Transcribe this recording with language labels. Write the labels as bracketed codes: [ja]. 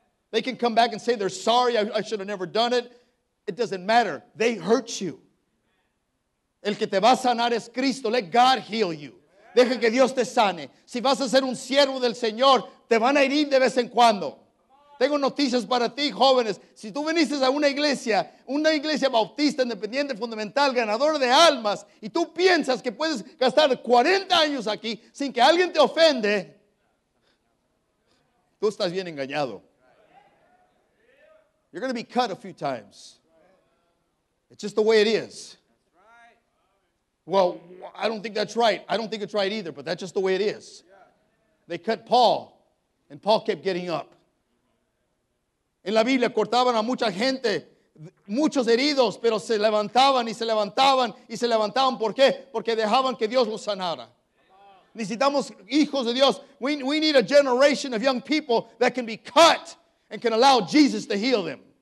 [en] They can come back and say they're sorry, I should have never done it. It doesn't matter. They hurt you. [es] El que te va a sanar es Cristo. [en] Let God heal you. [es] Deje que Dios te sane. Si vas a ser un siervo del Señor, te van a herir de vez en cuando. Tengo noticias para ti, jóvenes. Si tú viniste a una iglesia bautista, independiente, fundamental, ganadora de almas, y tú piensas que puedes gastar 40 años aquí sin que alguien te ofende, tú estás bien engañado. [en] You're going to be cut a few times. It's just the way it is. Well, I don't think that's right. I don't think it's right either, but that's just the way it is. They cut Paul, and Paul kept getting up. [es] En la Biblia cortaban a mucha gente, muchos heridos, pero se levantaban y se levantaban y se levantaban. ¿Por qué? Porque dejaban que Dios los sanara. Necesitamos hijos de Dios. [en] We need a generation of young people that can be cut and can allow Jesus to heal them.